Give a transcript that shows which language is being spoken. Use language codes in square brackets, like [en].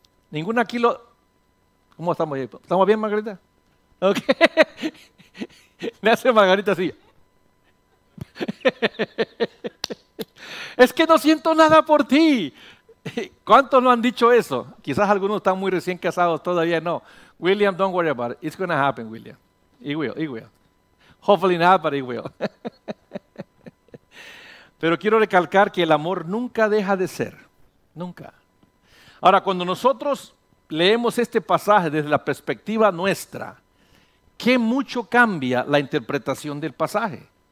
[es] Ninguna aquí lo... ¿Cómo estamos ahí? ¿Estamos bien, Margarita? Ok. Me hace Margarita así. Es que no siento nada por ti. ¿Cuántos no han dicho eso? Quizás algunos están muy recién casados, todavía no. [en] William, don't worry about it. It's going to happen, William. It will. Hopefully not, but it will. [es] Pero quiero recalcar que el amor nunca deja de ser. Nunca. Ahora, cuando nosotros leemos este pasaje desde la perspectiva nuestra, ¿qué mucho cambia la interpretación del pasaje?